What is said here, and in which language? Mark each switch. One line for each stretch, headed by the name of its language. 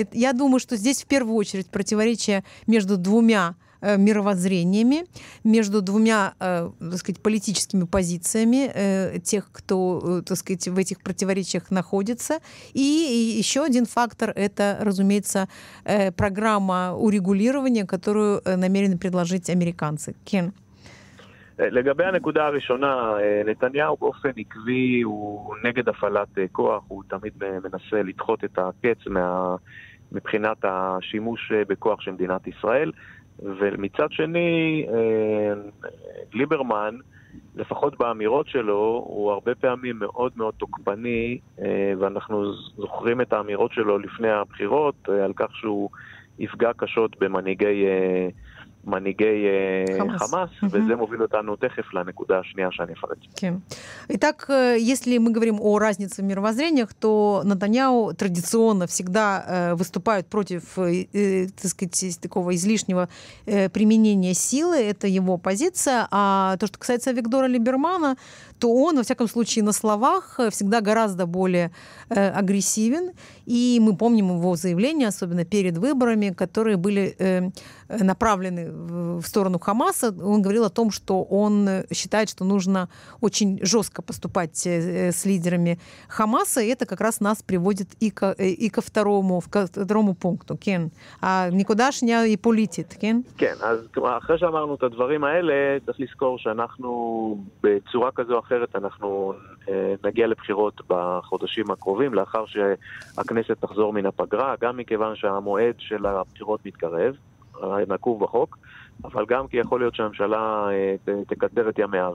Russian: Я думаю, что здесь в первую очередь противоречие между двумя мировоззрениями, между двумя, так сказать, политическими позициями тех, кто, так сказать, в этих противоречиях находится. И еще один фактор – это, разумеется, программа урегулирования, которую намерены предложить американцы.
Hebrew: Кен. לגבי הנקודה הראשונה, נתניהו באופן עקבי הוא נגד הפעלת כוח, הוא תמיד מנסה לדחות את הקץ מבחינת השימוש בכוח של מדינת ישראל, ומצד שני, ליברמן, לפחות באמירות שלו, הוא הרבה פעמים מאוד מאוד תוקפני, ואנחנו זוכרים את האמירות שלו לפני הבחירות, על כך שהוא יפגע קשות במנהיגי חמאס, וזה מוביל אותנו תכף לנקודה השנייה שאני אפרט. כן.
Russian: Итак, если мы говорим о разнице в мировоззрениях, то Нетаньяху традиционно всегда выступает против, так сказать, такого излишнего применения силы, это его позиция, а то, что касается Виктора Либермана, то он, во всяком случае, на словах всегда гораздо более агрессивен, и мы помним его заявления, особенно перед выборами, которые были направлены в сторону Хамаса, он говорил о том, что он считает, что нужно очень жестко поступать с лидерами Хамаса, и это как раз нас приводит ко второму пункту.
Hebrew: Кен, а никудашня и политит, кен? Кен, а אחרי שאמרנו את הדברים האלה, צריך לזכור שאנחנו בצורה כזו או אחרת, אנחנו נגיע לבחירות בחודשים הקרובים, לאחר שהכנסת תחזור מן הפגרה, גם מכיוון שהמועד של הבחירות מתקרב, נקוב בחוק, אבל גם כי יכול להיות שהממשלה תקדר את ימיה.